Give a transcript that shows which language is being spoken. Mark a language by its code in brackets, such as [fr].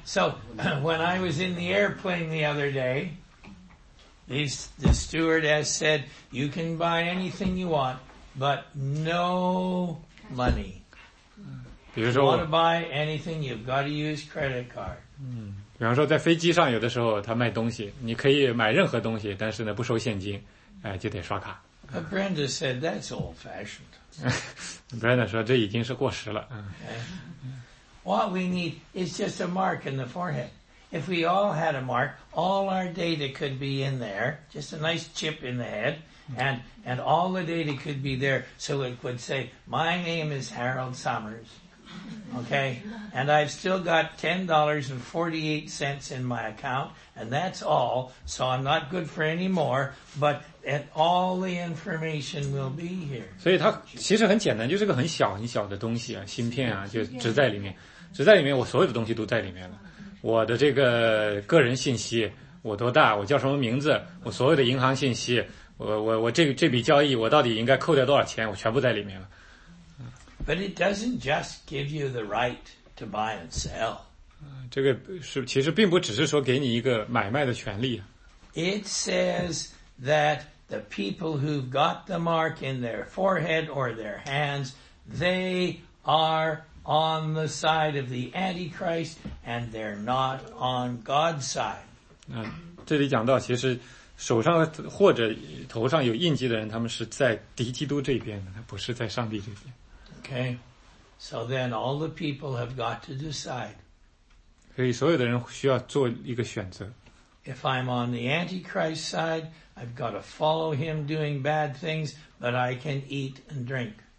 [en] So when I was in the airplane the other day, the stewardess said, you can buy anything you want, but no money. If you want to buy anything, you've got to use credit card. [zh] 比方说在飞机上有的时候他卖东西，你可以买任何东西，但是呢不收现金，就得刷卡。 [en] But Brenda said that's old fashioned. [zh] Brenda 说这已经是过时了。 [en] Okay. What we need is just a mark in the forehead. If we all had a mark, all our data could be in there, just a nice chip in the head, and all the data could be there, so it would say, my name is Harold Summers. Okay, and I've still got $10.48 in my account, and that's all, so I'm not good for any more, but all the information will be here. [zh] 所以它其实很简单，就是个很小很小的东西啊，芯片啊，就植在里面，植在里面，我所有的东西都在里面了，我的这个人信息，我多大，我叫什么名字，我所有的银行信息，我这笔交易，我到底应该扣掉多少钱，我全部在里面了。 [en] But it doesn't just give you the right to buy and sell. [zh] 这个是其实并不只是说给你一个买卖的权利。 [en] It says that the people who've got the mark in their forehead or their hands, they are on the side of the Antichrist and they're not on God's side. [zh] 这里讲到其实手上或者头上有印记的人他们是在敌基督这边的他不是在上帝这边。 [en] Okay, so then all the people have got to decide. [zh] 所以所有的人需要做一个选择。 [en] If I'm on the Antichrist side, I've got to follow him doing bad things, but I can eat and drink.